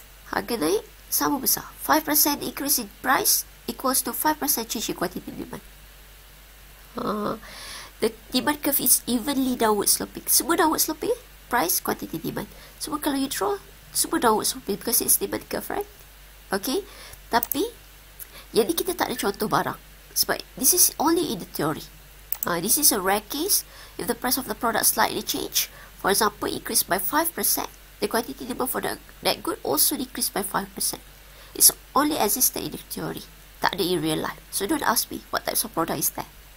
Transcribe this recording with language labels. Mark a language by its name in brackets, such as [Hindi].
[Malay] Harga naik sama besar. [English] 5% increase in price equals to 5% change in quantity demand. The demand curve is evenly downward sloping. Semua downward sloping, price, quantity demand. [Malay] Semua kalau [English] you draw, semua downward sloping because it's demand curve, right? Okay. [Malay] Tapi, yang ni kita tak ada contoh barang. [English] Sebab, this is only in the theory. This is a rare case. If the price of the product slightly change, for example, increase by 5%, the quantity demand for that good also decrease by 5%. It's only existed in the theory. [Malay] Tak ada [English] in real life. So, don't ask me what types of product is that.